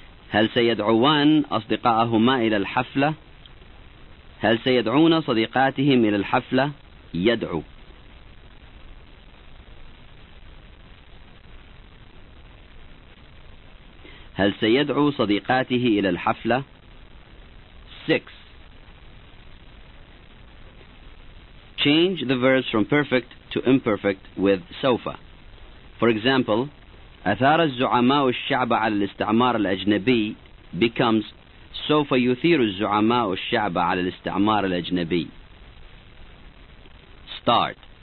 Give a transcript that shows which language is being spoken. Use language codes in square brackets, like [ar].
[ar] هل سيدعوان أصدقائهما إلى الحفلة؟ هل سيدعون صديقاتهم إلى الحفلة؟ يدعو. هل سيدعو صديقاته إلى الحفلة؟ 6. [en] Change the verbs from perfect to imperfect with سوف. For example, [ar] أثار الزعماء الشعب على الاستعمار الأجنبي [en] becomes [ar] سوف يثير الزعماء الشعب على الاستعمار الأجنبي. [en] Start.